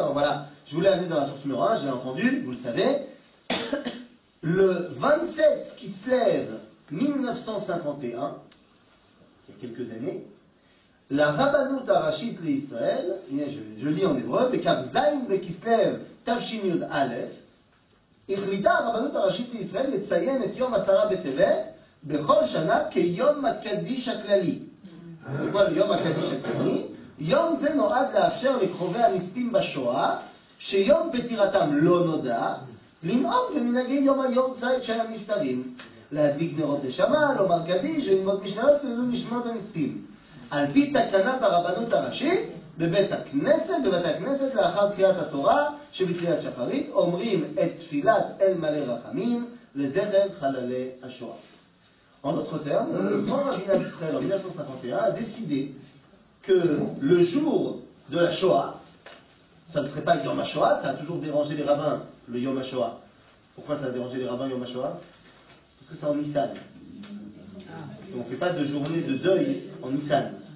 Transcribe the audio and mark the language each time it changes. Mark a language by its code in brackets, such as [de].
[fr] Alors voilà, je voulais aller dans la source numéro 1, j'ai entendu, vous le savez. Le 27 Kislev 1951, il y a quelques années, la Rabbanut Arachit l'Israël, je lis en hébreu, mais car Zayn be Kislev Tavshin Yud Aleph, [he] החליטה הרבנות הראשית לישראל לציין את יום עשרה בטבת בכל שנה כיום הקדיש הכללי. כל יום הקדיש הכללי. יום זה נועד לאפשר לקרובי הנספים בשואה, שיום פטירתם לא נודע, לנאום במנהגי יום היורצייט של הנפטרים. להדליק נרות נשמה, לומר קדיש וללמוד משניות ונשמות הנספים. על פי תקנת הרבנות הראשית, בבית הכנסת לאחר תחילת התורה שבקריאת שחרית אומרים את תפילת אל מלא רחמים לזכר חללי השואה. [fr] En d'autres termes, le grand rabbin d'Israël en 1951 a décidé que le jour de la Shoah, ça ne serait pas Yom HaShoah, ça a toujours dérangé les rabbins, le Yom HaShoah. Pourquoi ça a dérangé les rabbins Yom HaShoah? Parce que c'est en Nissan. On ne fait pas de journée de deuil en Nissan.